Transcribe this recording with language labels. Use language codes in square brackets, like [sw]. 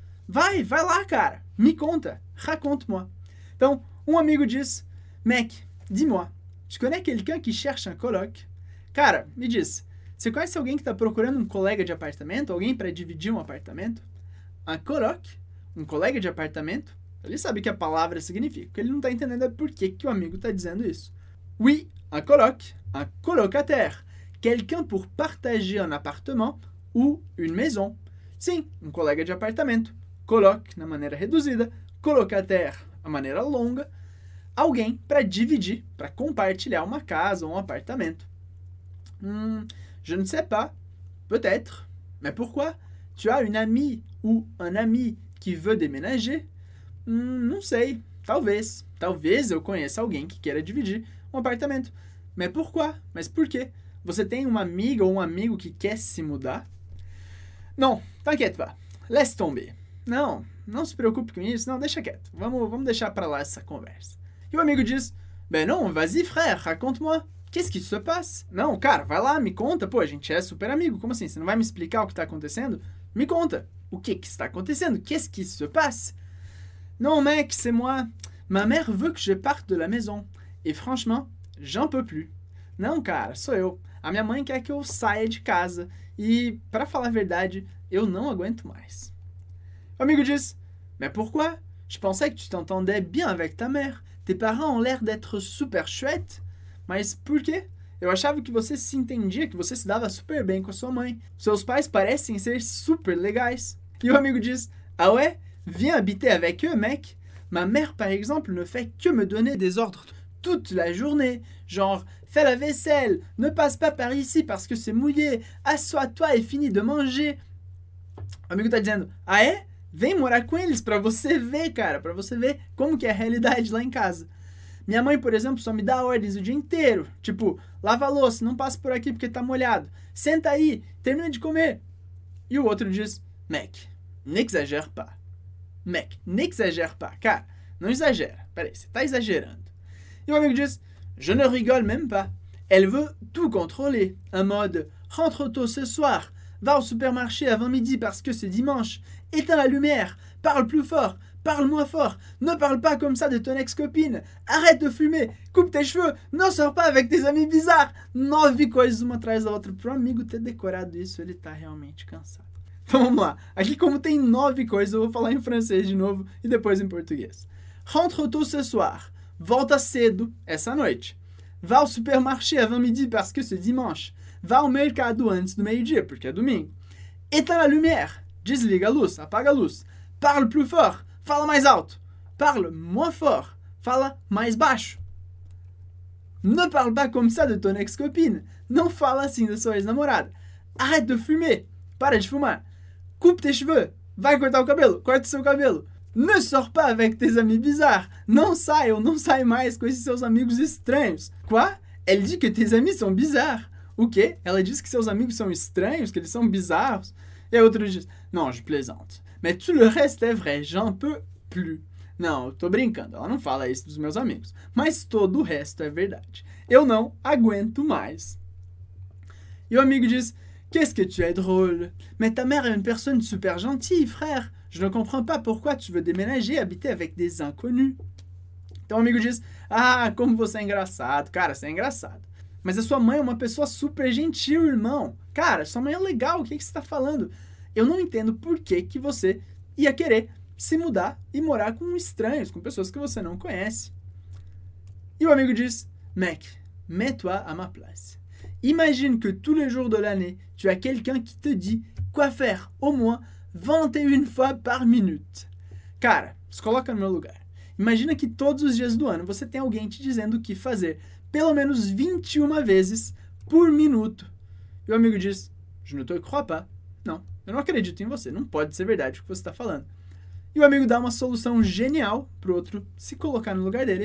[pt] Vai lá, cara, me conta, [fr] raconte-moi. [pt] Então, um amigo diz: [fr] Mec, dis-moi, tu connais quelqu'un qui cherche un coloc? [pt] Cara, me diz, você conhece alguém que está procurando um colega de apartamento, alguém para dividir um apartamento? Un coloc, um colega de apartamento? Ele sabe o que a palavra significa. O que ele não está entendendo é por que que o amigo está dizendo isso. [fr] Oui, un colocataire. Quelqu'un pour partager un appartement ou une maison. [pt] Sim, um colega de apartamento. Coloque, na maneira reduzida. Colocataire, a maneira longa. alguém para dividir, para compartilhar uma casa ou um apartamento. [fr] Je ne sais pas, peut-être, mais pourquoi? Tu as une amie ou un ami qui veut déménager? [pt] Não sei, talvez. Talvez eu conheça alguém que queira dividir um apartamento. [fr] Mais pourquoi? [pt] Mas por quê? Você tem uma amiga ou um amigo que quer se mudar? Não, [fr] t'inquiète pas. Laisse tomber. [pt] Não, não se preocupe com isso. Não, deixa quieto. Vamos deixar pra lá essa conversa. E o amigo diz, [fr] ben non, vas-y frère, raconte-moi. Qu'est-ce qui se passe? [pt] Não, cara, vai lá, me conta. Pô, a gente é super amigo. Como assim? Você não vai me explicar o que tá acontecendo? Me conta. O que que está acontecendo? [fr] Qu'est-ce qui se passe? Non, mec, c'est moi. Ma mère veut que je parte de la maison. Et franchement, j'en peux plus. [pt] Não, cara, sou eu. A minha mãe quer que eu saia de casa. E, pra falar a verdade, eu não aguento mais. O amigo diz, [fr] mais pourquoi? Je pensais que tu t'entendais bien avec ta mère. Tes parents ont l'air d'être super chouettes. [pt] Mas por quê? Eu achava que você se entendia, que você se dava super bem com a sua mãe. Seus pais parecem ser super legais. E o amigo diz, [fr] ah ouais? Viens habiter avec eux, mec. Ma mère, par exemple, ne fait que me donner des ordres toute la journée. Genre, fais la vaisselle, ne passe pas par ici parce que c'est mouillé, assois-toi et finis de manger. [pt] O amigo tá dizendo, ah é? Vem morar com eles pra você ver, cara, pra você ver como que é a realidade lá em casa. Minha mãe, por exemplo, só me dá ordens o dia inteiro. Tipo, lava a louça, não passa por aqui porque tá molhado. Senta aí, termina de comer. E o outro diz, [fr] mec, n'exagère pas. Mec, n'exagère pas. [pt] Cara, não exagera. Peraí, você tá exagerando. E o amigo diz, [fr] je ne rigole même pas. Elle veut tout contrôler. En mode, rentre tôt ce soir. Va au supermarché avant midi parce que c'est dimanche. Éteins la lumière. Parle plus fort. Parle moins fort. Ne parle pas comme ça de ton ex-copine. Arrête de fumer. Coupe tes cheveux. Não sors pas avec tes amis bizarres. [pt] 9 coisas uma atrás da outra. Pro amigo ter decorado isso, ele tá realmente cansado. Então vamos lá, aqui como tem 9 coisas, eu vou falar em francês de novo e depois em português. [fr] Rentre tôt ce soir, [pt] volta cedo essa noite. [fr] Va au supermarché avant midi parce que c'est dimanche. Va au [pt] mercado antes do meio-dia, porque é domingo. [fr] Éteins la lumière, [pt] desliga a luz, apaga a luz. [fr] Parle plus fort, [pt] fala mais alto. [fr] Parle moins fort, [pt] fala mais baixo. [fr] Ne parle pas comme ça de ton ex-copine, [pt] não fala assim da sua ex-namorada. [fr] Arrête de fumer. [pt] Para de fumar. [fr] Coupe tes cheveux. [pt] Vai cortar o cabelo. Corta o seu cabelo. [fr] Ne sors pas avec tes amis bizarres. [pt] Não sai ou não sai mais com esses seus amigos estranhos. [fr] Quoi? Elle dit que tes amis sont bizarres. [pt] O quê? Ela diz que seus amigos são estranhos, que eles são bizarros. E a outra diz, [fr] non, je plaisante. Mais tout le reste est vrai. J'en peux plus. [pt] Não, eu tô brincando. Ela não fala isso dos meus amigos. Mas todo o resto é verdade. Eu não aguento mais. E o amigo diz, [fr] qu'est-ce que tu es drôle? Mais ta mère est une personne super gentille, frère. Je ne comprends pas pourquoi tu veux déménager, habiter avec des inconnus. [pt] Então, amigo diz, ah, como você é engraçado. Cara, você é engraçado. Mas a sua mãe é uma pessoa super gentil, irmão. Cara, sua mãe é legal, o que você está falando? Eu não entendo por que, que você ia querer se mudar e morar com estranhos, com pessoas que você não conhece. E o amigo diz, [fr] mec, mets-toi à ma place. Imagine que tous les jours de l'année, tu as quelqu'un qui te dit quoi faire au moins 21 fois par minute. [pt] Cara, se coloca no meu lugar. Imagina que todos os dias do ano você tem alguém te dizendo o que fazer pelo menos 21 vezes por minuto. E o amigo diz, [fr] je ne te crois pas. [pt] Não, eu não acredito em você, não pode ser verdade o que você está falando. E o amigo dá uma solução genial para o outro se colocar no lugar dele.